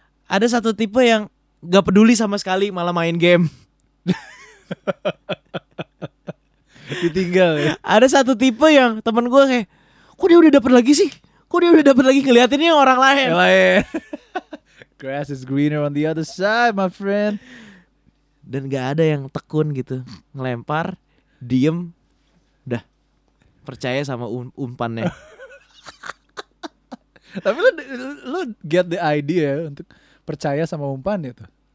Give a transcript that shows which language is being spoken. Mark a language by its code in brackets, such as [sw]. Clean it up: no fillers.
[id] Ada satu tipe yang enggak peduli sama sekali malah main game. Ditinggal ya. Ada satu tipe yang teman gue kayak, kok dia udah dapet lagi sih? Kok dia udah dapet lagi ngeliatinnya orang lain? Yang lain. [en] Grass is greener on the other side, my friend. [id] Dan gak ada yang tekun gitu. Ngelempar, diem, udah. Percaya sama umpannya. Tapi lu [en] get the idea [id] untuk percaya sama umpannya tuh.